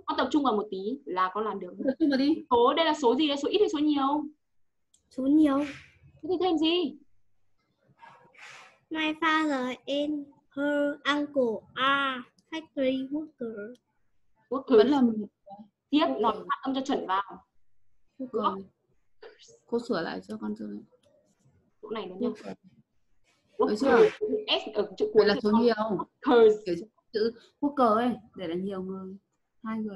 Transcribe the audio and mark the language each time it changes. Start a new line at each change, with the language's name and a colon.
Vietnamese: Con tập trung vào một tí là con làm được. Tập trung vào đi. Số đây là số gì đây? Số ít hay số nhiều? Số nhiều. Thế thì thêm gì?
English: My father and her uncle are factory worker. Worker
Vietnamese: vẫn là một. Tiếp, nói phát âm cho chuẩn vào. Rồi. Cô sửa lại cho con chơi. Chỗ này nó nhau. Đấy chưa? S ở chữ cuối là số nhiều.
English: Workers.
Vietnamese: Chữ worker ấy, để là nhiều người. Hai người.